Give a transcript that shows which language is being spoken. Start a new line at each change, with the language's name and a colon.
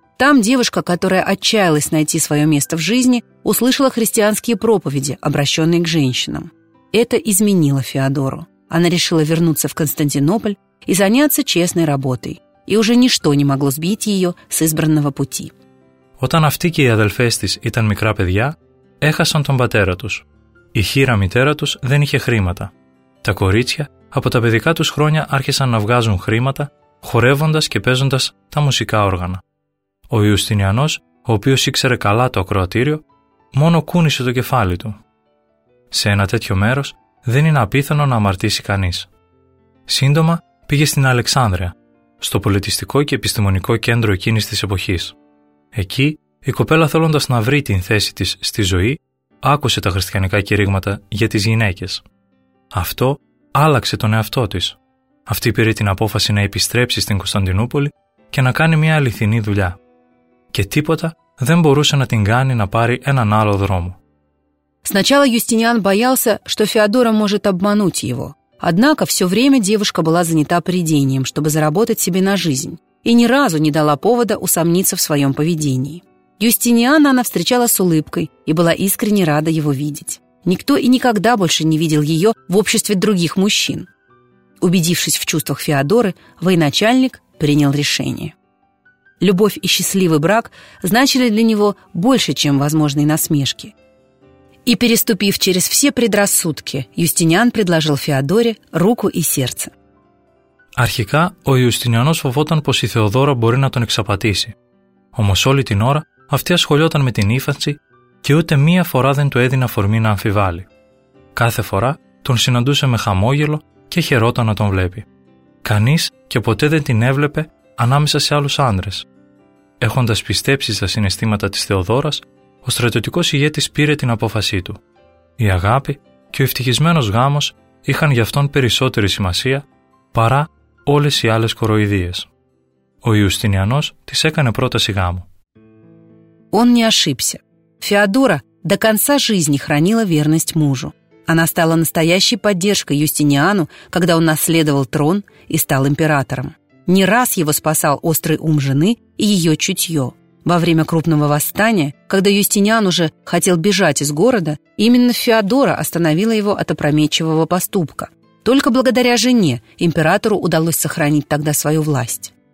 Russian: Там девушка, которая отчаялась найти свое место в жизни, услышала христианские проповеди, обращенные к женщинам. Это изменило Феодору. Она решила вернуться в Константинополь и заняться честной работой. И уже ничто не могло сбить ее с избранного пути.
Greek: Όταν αυτή και οι αδελφές της ήταν μικρά παιδιά, έχασαν τον πατέρα τους. Η χείρα μητέρα τους δεν είχε χρήματα. Τα κορίτσια από τα παιδικά τους χρόνια άρχισαν να βγάζουν χρήματα, χορεύοντας και παίζοντας τα μουσικά όργανα. Ο Ιουστινιανός, ο οποίος ήξερε καλά το ακροατήριο, μόνο κούνησε το κεφάλι του. Σε ένα τέτοιο μέρος δεν είναι απίθανο να αμαρτήσει κανείς. Σύντομα πήγε στην Αλεξάνδρεια, στο πολιτιστικό και επιστημονικό κέντρο εκείνης της εποχής. Εκεί, η κοπέλα θέλοντας να βρει την θέση της στη ζωή, άκουσε τα χριστιανικά κηρύγματα για τις γυναίκες. Αυτό άλλαξε τον εαυτό της. Αυτή πήρε την απόφαση να επιστρέψει στην Κωνσταντινούπολη και να κάνει μια αληθινή δουλειά. Και τίποτα δεν μπορούσε να την κάνει να πάρει έναν άλλο δρόμο.
Russian: Сначала Юстиниан боялся, что Феодора может обмануть его. Однако все время девушка была занята предением, чтобы заработать себе на жизнь. И ни разу не дала повода усомниться в своем поведении. Юстиниана она встречала с улыбкой и была искренне рада его видеть. Никто и никогда больше не видел ее в обществе других мужчин. Убедившись в чувствах Феодоры, военачальник принял решение. Любовь и счастливый брак значили для него больше, чем возможные насмешки. И переступив через все предрассудки, Юстиниан предложил Феодоре руку и сердце.
Greek: Αρχικά, ο Ιουστινιανός φοβόταν πως η Θεοδόρα μπορεί να τον εξαπατήσει. Όμως όλη την ώρα, αυτή ασχολιόταν με την ύφανση και ούτε μία φορά δεν του έδινε αφορμή να αμφιβάλλει. Κάθε φορά, τον συναντούσε με χαμόγελο και χαιρόταν να τον βλέπει. Κανείς και ποτέ δεν την έβλεπε ανάμεσα σε άλλους άντρες. Έχοντας πιστέψει στα συναισθήματα της Θεοδόρας, ο στρατιωτικός ηγέτης πήρε την απόφασή του. Η αγάπη και ο ευτυχισμένος γάμος είχαν για αυτόν περισσότερη σημασία παρά όλες οι άλλες κοροϊδίες. Ο Ιουστινιανός της έκανε πρόταση γάμου.
Russian: Он не ошибся. Феодора до конца жизни хранила верность мужу. Она стала настоящей поддержкой Юстиниану, когда он наследовал трон и стал императором. Не раз его спасал острый ум жены и ее чутье. Во время крупного восстания, когда Юстиниан уже хотел бежать из города, именно Феодора остановила его от опрометчивого поступка. Только благодаря жене императору удалось сохранить тогда свою власть.